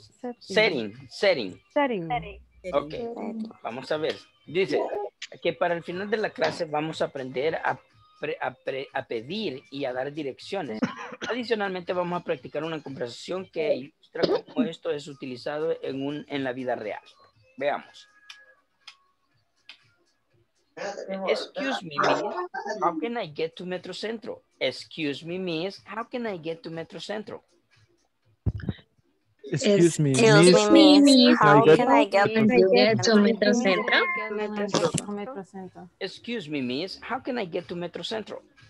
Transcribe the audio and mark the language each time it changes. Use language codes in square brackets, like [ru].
[en] 3.8 achievement indicator by the end of the class. [es] Ok, vamos a ver. Dice que para el final de la clase vamos a aprender a pedir y a dar direcciones. Adicionalmente vamos a practicar una conversación que ilustra cómo esto es utilizado en la vida real. Veamos. [en] Excuse me, miss, how can I get to Metro Centro? Excuse me, miss, how can I get to Metro Centro? Excuse me, miss, how can I get to Metro Centro?